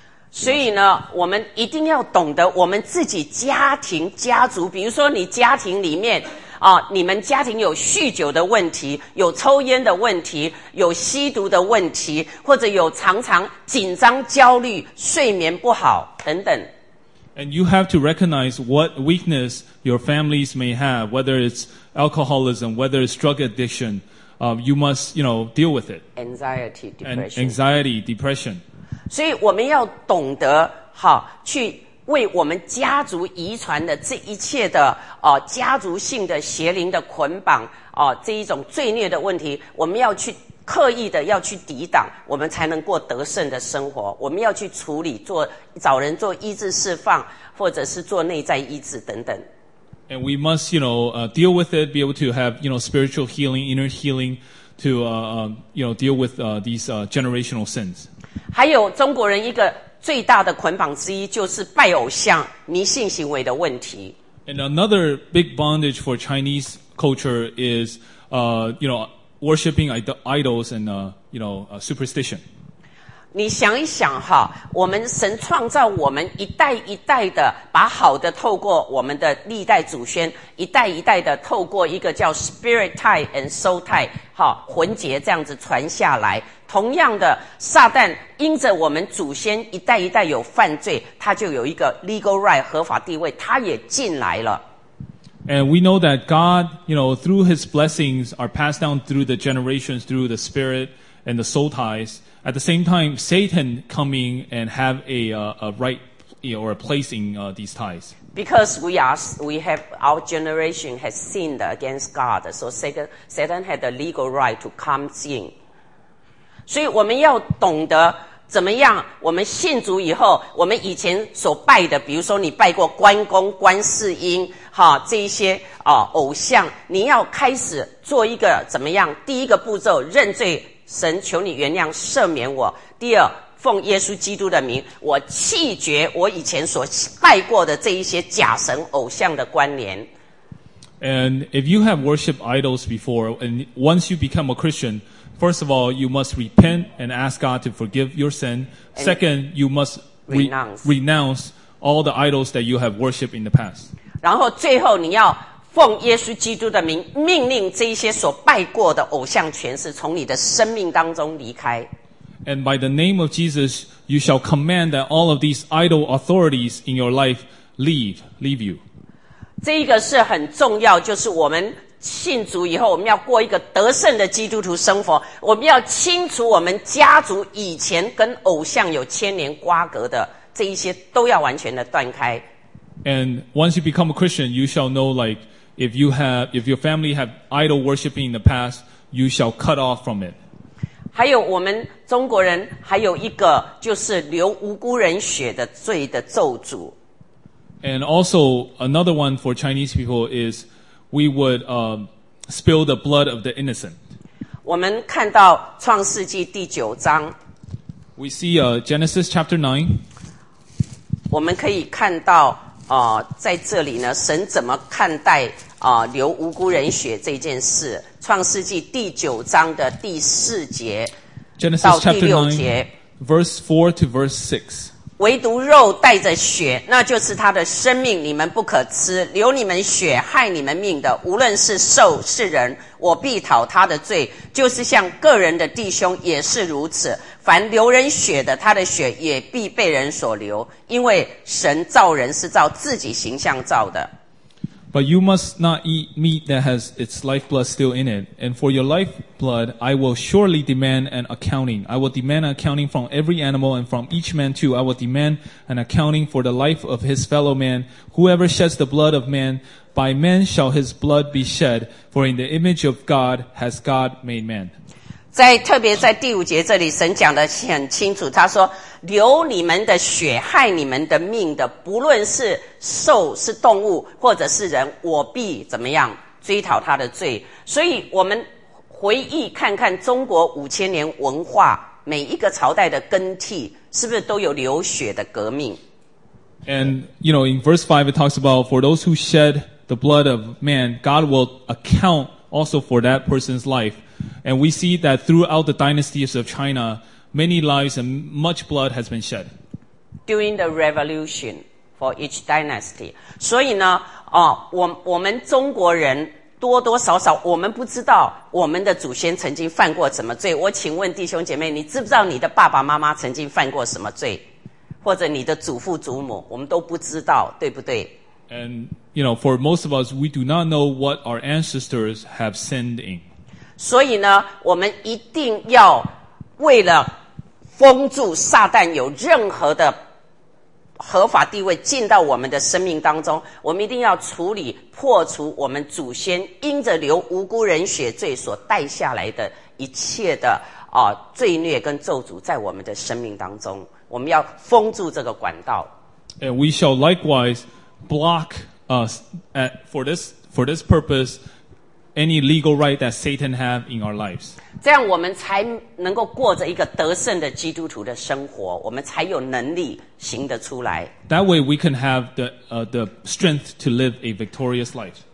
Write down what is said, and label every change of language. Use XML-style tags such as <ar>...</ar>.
<zh>所以呢，我们一定要懂得我们自己家庭家族，比如说你家庭里面。你们家庭有酗酒的问题，有抽烟的问题，有吸毒的问题，或者有常常紧张、焦虑、睡眠不好等等。</zh> <en>And you have to recognize what weakness your families may have, whether it's alcoholism, whether it's drug addiction. You must, you know, deal with it. Anxiety, depression. And anxiety, depression.</en> <zh>所以我们要懂得好去。为我们家族遗传的这一切的家族性的邪灵的捆绑这一种罪孽的问题，我们要去刻意的要去抵挡，我们才能过得胜的生活。我们要去处理，做找人做医治释放，或者是做内在医治等等。</zh> <en>And we must, you know, deal with it, be able to have, you know, spiritual healing, inner healing, to you know, deal with these generational sins.</en> <zh>还有中国人一个。最大的捆绑之一就是拜偶像、迷信行为的问题。</zh> <en>And another big bondage for Chinese culture is, you know, worshipping idols and, you know, superstition.</en> <zh>你想一想哈，我们神创造我们一代一代的，把好的透过我们的历代祖先，一代一代的透过一个叫</zh> <en>spirit tie and soul tie，</en> <zh>哈，魂结这样子传下来。同样的，撒旦因着我们祖先一代一代有犯罪，他就有一个</zh> <en>legal right</en> <zh>合法地位，他也进来了。</zh> <en>And we know that God, you know, through His blessings are passed down through the generations through the spirit and the soul ties. At the same time, Satan coming and have a right you know, or a place in these ties. Because our generation has sinned against God, so Satan had the legal right to come in.</en> <zh>所以我们要懂得怎么样，我们信主以后，我们以前所拜的，比如说你拜过关公、观世音，哈，这一些偶像，你要开始做一个怎么样？第一个步骤，认罪，神求你原谅赦免我。第二，奉耶稣基督的名，我弃绝我以前所拜过的这一些假神偶像的关联。</zh> <en>And if you have worshipped idols before, and once you become a Christian,First of all, you must repent and ask God to forgive your sin. Second, you must renounce all the idols that you have worshipped in the past.</en> <zh>然后最后你要奉耶稣基督的名命令这些所拜过的偶像权势从你的生命当中离开。</zh> <en>And by the name of Jesus, you shall command that all of these idol authorities in your life leave you.</en> <zh>这一个是很重要，就是我们信主以后，我们要过一个得胜的基督徒生活。我们要清除我们家族以前跟偶像有千年瓜葛的这一些，都要完全的断开。</zh> <en>And once you become a Christian, you shall know like if your family have idol worshiping in the past, you shall cut off from it.</en> <zh>还有我们中国人还有一个就是流无辜人血的罪的咒诅。</zh> <en>And also another one for Chinese people is we would spill the blood of the innocent.</en> <zh>我们看到创世纪第九章。</zh> <en>We see Genesis chapter 9.</en> <zh>我们可以看到在这里呢神怎么看待流无辜人血这件事。创世纪第九章的第四节。</zh> <en>Genesis chapter 9, verse 4 to verse 6.</en> <zh>唯独肉带着血，那就是他的生命，你们不可吃。流你们血害你们命的，无论是兽是人，我必讨他的罪，就是像个人的弟兄也是如此。凡流人血的，他的血也必被人所流，因为神造人是照自己形象造的。</zh> <en>But you must not eat meat that has its lifeblood still in it. And for your lifeblood, I will surely demand an accounting. I will demand an accounting from every animal and from each man too. I will demand an accounting for the life of his fellow man. Whoever sheds the blood of man, by man shall his blood be shed. For in the image of God has God made man.</en> <zh>在特别在第五节这里，神讲得很清楚，他说流你们的血害你们的命的，不论是兽是动物或者是人，我必怎么样追讨他的罪。所以我们回忆看看中国五千年文化，每一个朝代的更替是不是都有流血的革命。</zh> <en>And you know, in verse 5 it talks about for those who shed the blood of man, God will account also for that person's life. And we see that throughout the dynasties of China, many lives and much blood has been shed. During the revolution for each dynasty.</en> <zh>所以呢我们中国人多多少少，我们不知道我们的祖先曾经犯过什么罪。我请问弟兄姐妹，你知不知道你的爸爸妈妈曾经犯过什么罪？或者你的祖父祖母，我们都不知道，对不对？</zh> <en>And, you know, for most of us, we do not know what our ancestors have sinned in.</en> <zh>所以呢，我们一定要为了封住撒旦有任何的合法地位进到我们的生命当中，我们一定要处理破除我们祖先因着流无辜人血罪所带下来的一切的罪孽跟咒诅在我们的生命当中，我们要封住这个管道。</zh> <en>And we shall likewise block us at, for this purpose any legal right that Satan have in our lives.</en> <zh>这样我们才能够过着一个得胜的基督徒的生活，我们才有能力行得出来。</zh> <en>That way we can have the strength to live a victorious life.</en>